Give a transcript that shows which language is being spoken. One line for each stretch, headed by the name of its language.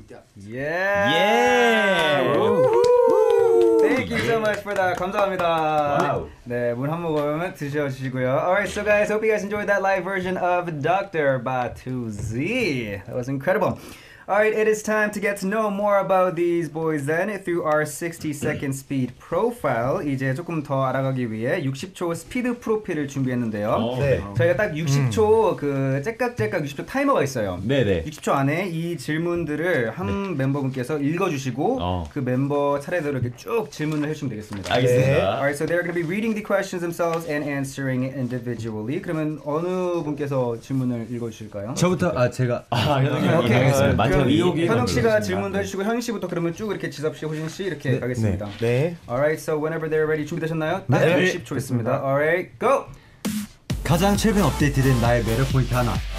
English: ducked Yeah, yeah. Thank you so much for that
Korean: 감사합니다
English: wow.
Korean: 네, 물 한 모금 드셔주시고요
English: Alright, so guys, hope you guys enjoyed that live version of Dr. Batu-Z That was incredible Alright, it is time to get to know more about these boys then through our 60-second speed profile.
Korean: 이제 조금 더 알아가기 위해 60초 스피드 프로필을 준비했는데요. 네. 저희가 딱 60초 그 째깍째깍 60초 타이머가 있어요. 네네. 60초 안에 이 질문들을 한 네. 멤버분께서 읽어주시고 그 멤버 차례대로 이렇게 쭉 질문을 해주시면 되겠습니다. 알겠습니다. 네.
English: Alright, so they're going to be reading the questions themselves and answering it individually.
Korean: 그러면 어느 분께서 질문을 읽어주실까요? 저부터, 아 제가. 아, 현영이 알겠습니다. 현웅 씨가 질문도 해주시고 현웅 씨부터 그러면 쭉 이렇게 지섭 씨, 호진 씨 이렇게 네, 가겠습니다. 네. 네.
English: Alright, so whenever they're ready,
Korean: 준비되셨나요? 네. 60초 있습니다.
English: Alright, go.
Korean: 가장 최근 업데이트된 나의 매력 포인트 하나.